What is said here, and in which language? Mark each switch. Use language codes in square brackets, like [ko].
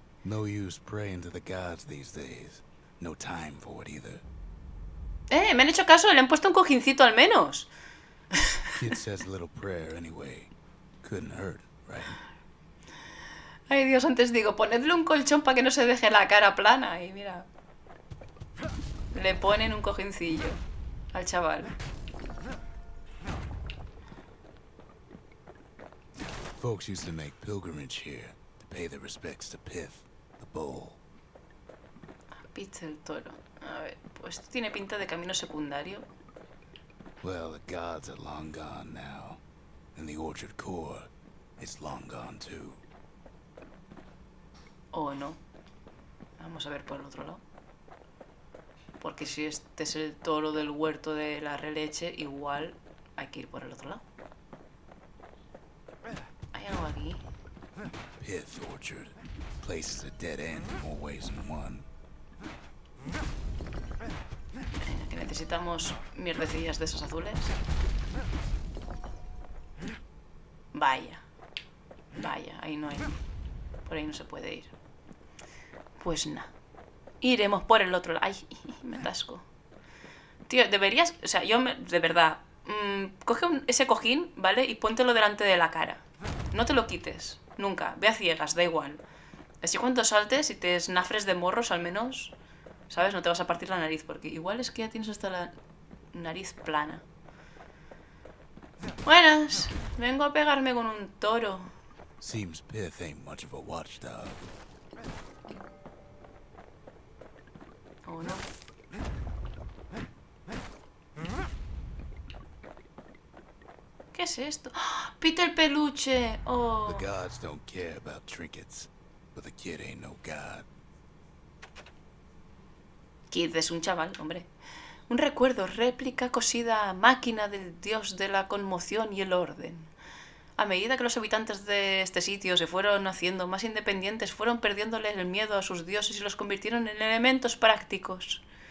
[en] No use praying to the gods these days. No time for it either. [es] Me han hecho caso, le han puesto un cojincito al menos. [en] Kid says a little prayer anyway. Couldn't hurt, right? [es] Ay, Dios, antes digo, ponedle un colchón para que no se deje la cara plana. Y mira, le ponen un cojincillo al chaval. [en] Folks used to make pilgrimage here to pay their respects to Pif, the bull. [es] Pizza el toro. A ver, pues esto tiene pinta de camino secundario. [en] Well, the gods are long gone now, and the orchard core is long gone too. Oh, no. [es] Vamos a ver por el otro lado. Porque si este es el toro del huerto de la releche, igual hay que ir por el otro lado. Hay algo aquí. [en] Pith Orchard. Place is a dead end in more ways than one. [es] Que necesitamos mierdecillas de esas azules. Vaya, ahí no hay. Por ahí no se puede ir. Pues nada. Iremos por el otro lado. Ay, me atasco. Tío, deberías. O sea, de verdad. Coge ese cojín, ¿vale? Y póntelo delante de la cara. No te lo quites. Nunca. Ve a ciegas, da igual. Así cuando saltes y te esnafres de morros, al menos. ¿Sabes? No te vas a partir la nariz, porque igual es que ya tienes hasta la nariz plana. ¡Buenas! Vengo a pegarme con un toro. [en] Seems Pith ain't much of a watchdog. [es] ¿O no? ¿Qué es esto? ¡Oh! ¡Pith el peluche! ¡Oh! [en] The gods don't care about trinkets, but the kid ain't no god. [es] Kid es un chaval, hombre. Un recuerdo, réplica, cosida máquina del dios de la conmoción y el orden. A medida que los habitantes de este sitio se fueron haciendo más independientes, fueron perdiéndoles el miedo a sus dioses y los convirtieron en elementos prácticos.